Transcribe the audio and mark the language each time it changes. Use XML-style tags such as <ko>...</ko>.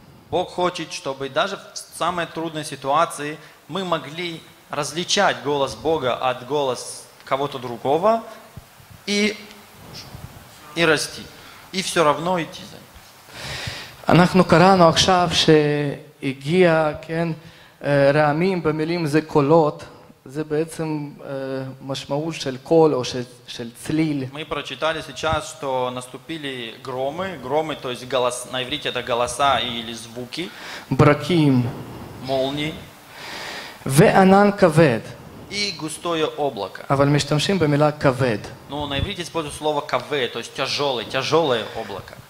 <ru>Бог хочет, чтобы даже в самой трудной ситуации мы могли различать голос Бога от голоса кого-то другого и расти, и все равно идти за ним.</ru> <he>אנחנו קראנו עכשיו שהגיע, כן, רעמים במילים זה קולות, זה בעצם משמעות של קול או של צליל.</he> <ru>Мы прочитали сейчас, что наступили громы, громы, то есть голос, на иврите это голоса или звуки.</ru> <he>Браким.</he> <ru>Молнии.</ru> <he>וענן כבד.</he> <ru>И густое облако.</ru> <he>אבל משתמשים במילה כבד.</he> <ru>Ну, на иврите используют слово כבד, то есть тяжелое, тяжелое облако.</ru>